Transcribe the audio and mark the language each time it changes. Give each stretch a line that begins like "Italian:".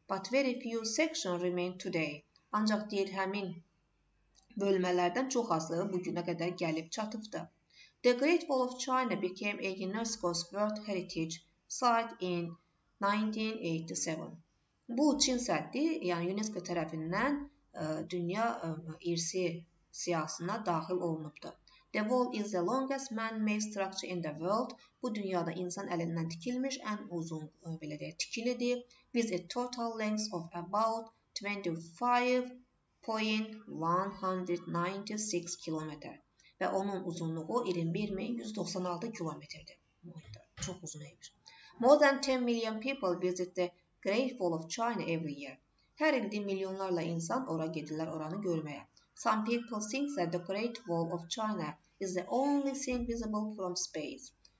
English: But very few sections remain today.
Azerbaijani: Ancaq deyir, həmin bölmələrdən çox azı bugünə qədər gəlib çatıbdır.
English: The Great Wall of China became a UNESCO World Heritage Site in 1987.
Azerbaijani: Bu Çin səddi, yəni UNESCO tərəfindən dünya irsi siyahısına daxil olunubdur.
English: The wall is the longest man-made structure in the world.
Azerbaijani: Bu dünyada insan əlindən tikilmiş ən uzun belə deyək, tikilidir.
English: With a total length of about 25.196 km.
Azerbaijani: Və onun uzunluğu 21.196 km-dir. Çox uzun imiş.
English: More than 10 million people visit the Great Wall of China every year.
Azerbaijani: Hər ildə milyonlarla insan ora gedirlər oranı görməyə.
English: Some people think that the Great Wall of China is the only thing visible from space.